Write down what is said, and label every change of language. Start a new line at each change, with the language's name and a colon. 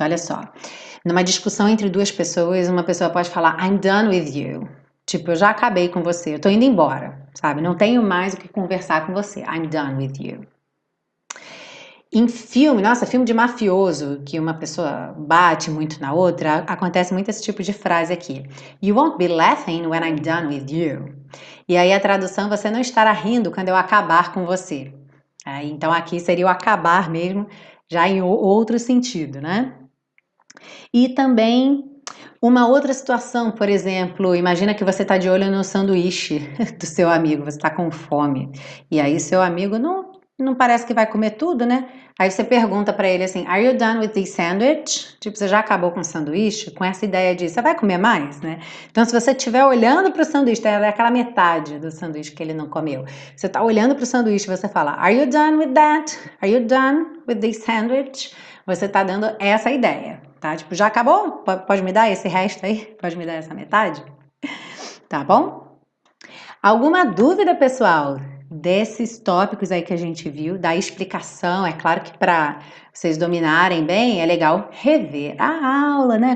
Portuguese: Olha só, numa discussão entre duas pessoas, uma pessoa pode falar
English: I'm done with you.
Portuguese: Tipo, eu já acabei com você, eu tô indo embora, sabe? Não tenho mais o que conversar com você.
English: I'm done with you.
Portuguese: Em filme, nossa, filme de mafioso, que uma pessoa bate muito na outra, acontece muito esse tipo de frase aqui.
English: You won't be laughing when I'm done with you.
Portuguese: E aí a tradução, você não estará rindo quando eu acabar com você. É, então aqui seria o acabar mesmo, já em outro sentido, né? E também uma outra situação, por exemplo, imagina que você está de olho no sanduíche do seu amigo, você está com fome. E aí seu amigo não parece que vai comer tudo, né? Aí você pergunta para ele assim,
English: Are you done with this sandwich?
Portuguese: Tipo, você já acabou com o sanduíche? Com essa ideia de, você vai comer mais, né? Então, se você estiver olhando para o sanduíche, é aquela metade do sanduíche que ele não comeu. Você está olhando para o sanduíche e você fala,
English: Are you done with that? Are you done with this sandwich?
Portuguese: Você está dando essa ideia, tá? Tipo, já acabou? Pode me dar esse resto aí? Pode me dar essa metade? Tá bom? Alguma dúvida, pessoal? Desses tópicos aí que a gente viu, da explicação, é claro que para vocês dominarem bem, é legal rever a aula, né?